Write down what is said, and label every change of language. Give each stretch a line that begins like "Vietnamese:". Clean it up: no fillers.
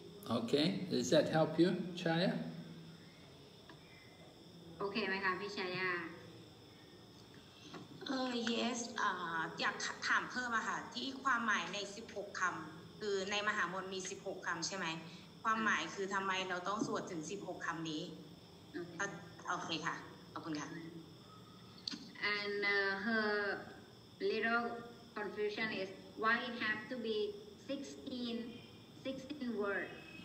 English: Okay, does that help you, Chaya?
Thai: Okay, ไหมคะพี่ชายา yes อยากถามเพิ่มอ่ะค่ะที่ความหมายใน 16 คำคือในมหามนต์มี 16 คำใช่ไหม ความหมายคือทำไมเราต้องสวดถึง 16 คำนี้ โอเคค่ะ ขอบคุณค่ะ
English: And her little confusion is why it have to be 16 words